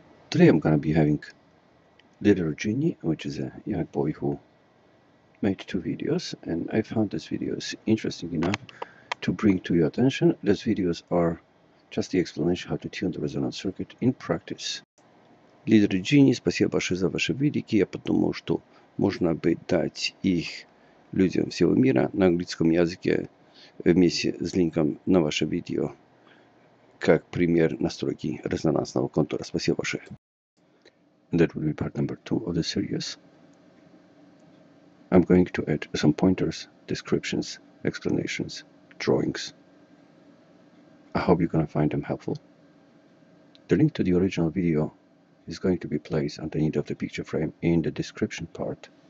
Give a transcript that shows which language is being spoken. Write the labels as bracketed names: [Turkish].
[English] Today I'm going to be having little Giene, which is a young boy who made two videos, and I found these videos interesting enough to bring to your attention. These videos are just the explanation how to tune the resonance circuit in practice. [Russian] Little Giene, спасибо большое за ваши видики. Я подумал, что можно бы дать их людям всего мира на английском языке вместе с линком на ваше видео, как пример настройки резонансного контура. Спасибо большое. [English] That will be part number two of the series. I'm going to add some pointers, descriptions, explanations, drawings. I hope you're gonna find them helpful. The link to the original video is going to be placed underneath of the picture frame in the description part.